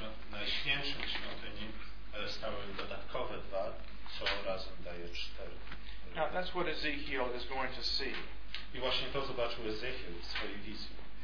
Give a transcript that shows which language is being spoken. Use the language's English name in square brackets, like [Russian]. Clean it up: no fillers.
[Polish] na świętym świątyni stały dodatkowe dwa, co razem daje cztery. [English] Now that's what Ezekiel is going to see. [Polish] I właśnie to zobaczył Ezekiel w swojej wizji.